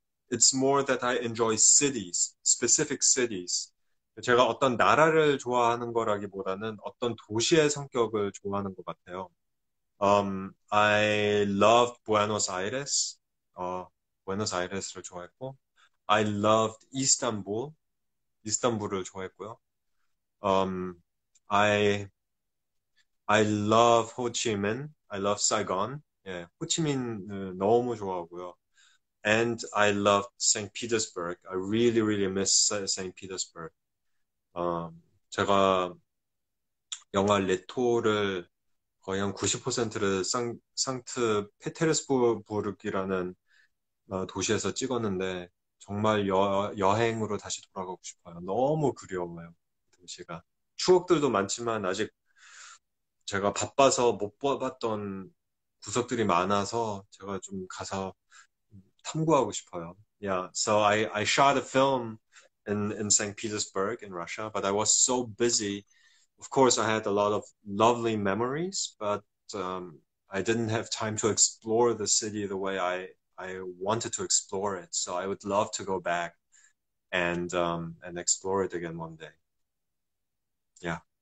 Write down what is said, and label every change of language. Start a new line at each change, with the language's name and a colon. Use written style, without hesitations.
English: It's more that I enjoy cities, specific cities.
Korean: 제가 어떤 나라를 좋아하는 거라기보다는 어떤 도시의 성격을 좋아하는 것 같아요.
English: I loved Buenos Aires. Buenos Aires를
Korean: 좋아했고,
English: I loved Istanbul.
Korean: Istanbul을 좋아했고요.
English: I love Ho Chi Minh. I love Saigon.
Korean: 예, 호치민을 너무 좋아하고요.
English: And I loved St. Petersburg. I really, really miss St. Petersburg.
Korean: 제가 영화 레토를 거의 한 90%를 상트 페테르스부르크라는 도시에서 찍었는데 정말 여행으로 다시 돌아가고 싶어요. 너무 그리워요, 도시가. 추억들도 많지만 아직 제가 바빠서 못 봐봤던 구석들이 많아서 제가 좀 가서 탐구하고 싶어요.
English: Yeah, so I shot a film in St. Petersburg in Russia, but I was so busy. Of course, I had a lot of lovely memories, but I didn't have time to explore the city the way I wanted to explore it. So I would love to go back and explore it again one day. Yeah.